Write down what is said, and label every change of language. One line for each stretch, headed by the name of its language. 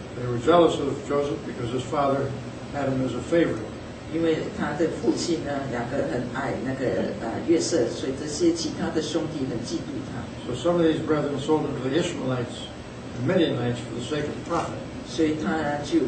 English: They were jealous of Joseph because his father had him as a favorite.
Chinese: 因为他的父亲呢，两个很爱那个约瑟，所以这些其他的兄弟很嫉妒他。
English: So some of these brethren sold him to the Ishmaelites, the Midianites, for the sake of profit.